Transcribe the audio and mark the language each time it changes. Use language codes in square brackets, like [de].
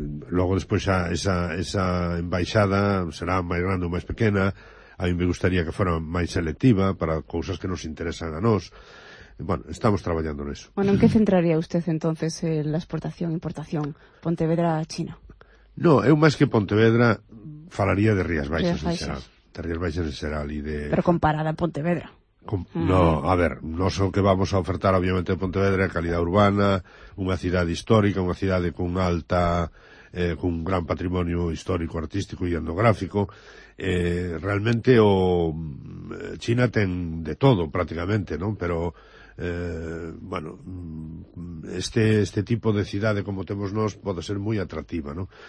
[gl] Logo despois esa embaixada será máis grande ou máis pequena. [es] A mí me gustaría [gl] que fora máis selectiva para cousas que nos interesan a nós. Bueno, estamos traballando neso. [es] Bueno, en que centraría usted entonces la exportación e importación Pontevedra a China? [gl] No, eu máis que Pontevedra falaría de Rías Baixas, de Rías Baixas en xeral, pero comparada a Pontevedra. No, a ver, non só que vamos a ofertar obviamente a Pontevedra, a calidad urbana, unha cidade histórica, unha cidade con alta, con un gran patrimonio histórico, artístico e etnográfico. Realmente o China ten de todo prácticamente, non? Pero bueno, este tipo de cidade como temos nós pode ser moi atractiva, non?